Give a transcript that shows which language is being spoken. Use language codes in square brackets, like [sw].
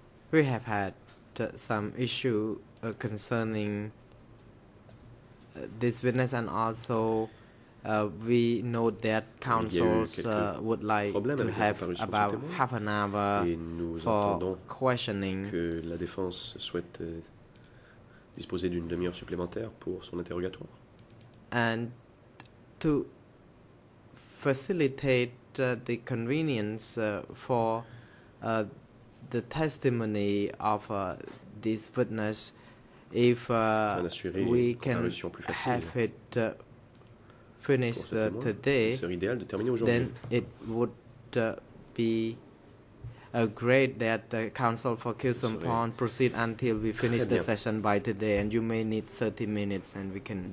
[en] We have had some issue concerning this witness, and also we know that councils would like to have about half an hour for questioning. [fr] Que la défense souhaite disposer d'une demi-heure supplémentaire pour son interrogatoire. [en] And to facilitate the convenience for the testimony of this witness, if we can have it finished today, then it would be great that the counsel for Kyusum Pon proceed until we finish the session by today, and you may need 30 minutes, and we can